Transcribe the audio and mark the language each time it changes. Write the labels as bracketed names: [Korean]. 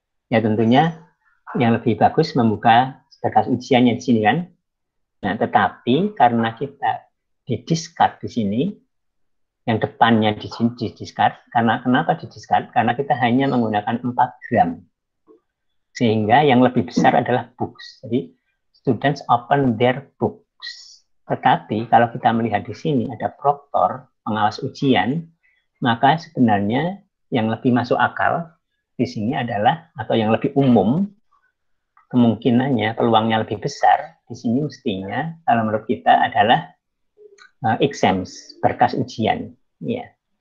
[Indonesian] Ya, tentunya yang lebih bagus membuka berkas ujiannya di sini, kan? Nah, tetapi karena kita di-discard di sini, yang depannya di sini di-discard, karena kenapa di-discard? Karena kita hanya menggunakan 4 gram. Sehingga yang lebih besar adalah books. [English] Jadi, students open their books. [Indonesian] Tetapi kalau kita melihat di sini ada proktor, pengawas ujian, maka sebenarnya yang lebih masuk akal di sini adalah, atau yang lebih umum, kemungkinannya, peluangnya lebih besar, di sini mestinya, kalau menurut kita adalah exams, berkas ujian. Ya.